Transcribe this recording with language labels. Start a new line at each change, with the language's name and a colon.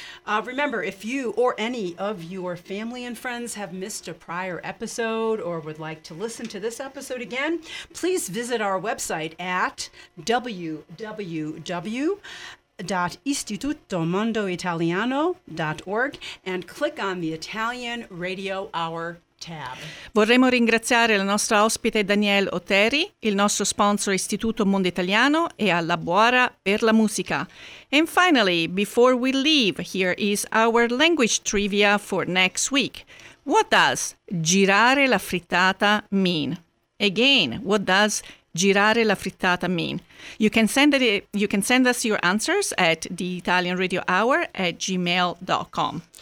English: Remember, if you or any of your family and friends have missed a prior episode or would like to listen to this episode again, please visit our website at www.istitutomondoitaliano.org and click on the Italian Radio Hour tab.
Italian: Vorremmo ringraziare la nostra ospite Daniela Oteri, il nostro sponsor Istituto Mondo Italiano e alla Buora per la musica.
English: And finally, before we leave, here is our language trivia for next week. What does girare la frittata mean? Again, what does girare la frittata mean? You can send us your answers at theitalianradiohour@gmail.com.